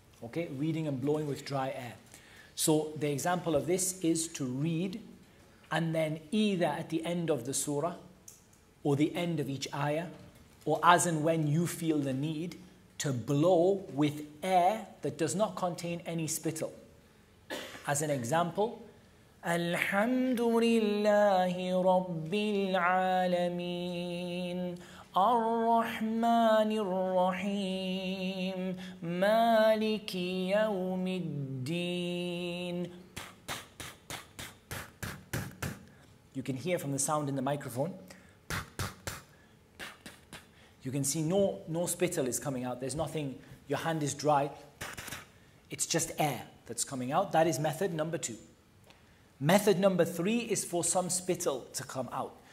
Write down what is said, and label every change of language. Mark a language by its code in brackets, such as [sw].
[en] Okay, reading and blowing with dry air. So the example of this is to read, and then either at the end of the surah, or the end of each ayah, or as and when you feel the need, to blow with air that does not contain any spittle. As an example, [ar] الحمد لله رب العالمين الرحمن الرحيم مالك يوم الدين. [en] You can hear from the sound in the microphone. You can see no spittle is coming out. There's nothing. Your hand is dry. It's just air that's coming out. That is method number two. Method number three is for some spittle to come out.